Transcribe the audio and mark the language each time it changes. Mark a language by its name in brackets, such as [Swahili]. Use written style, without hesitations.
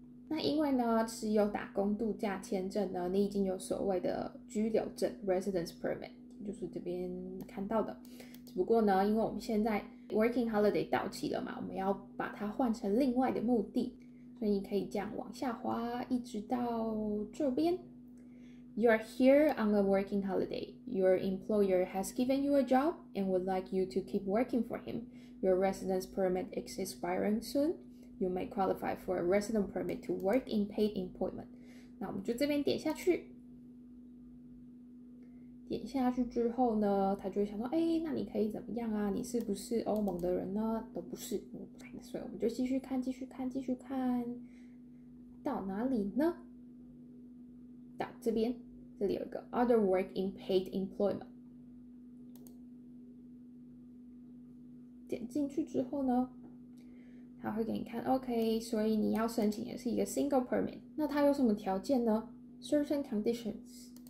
[Chinese] 那因为呢，持有打工度假签证呢，你已经有所谓的居留证 [English] residence permit， [Chinese] 就是这边看到的。只不过呢，因为我们现在 [English] working holiday [Chinese] 到期了嘛，我们要把它换成另外的目的，所以你可以这样往下滑，一直到这边。 [English] You are here on a working holiday. Your employer has given you a job and would like you to keep working for him. Your residence permit is expiring soon. You may qualify for a resident permit to work in paid employment. [Chinese] 那我们就这边点下去。点下去之后呢，他就会想说，哎，那你可以怎么样啊？你是不是欧盟的人呢？都不是，所以我们就继续看，继续看，继续看，到哪里呢？到这边，这里有一个 [English] other work in paid employment， [Chinese] 点进去之后呢，他会给你看，OK，所以你要申请的是一个 [English] single permit， [Chinese] 那它有什么条件呢？ [English] Certain conditions。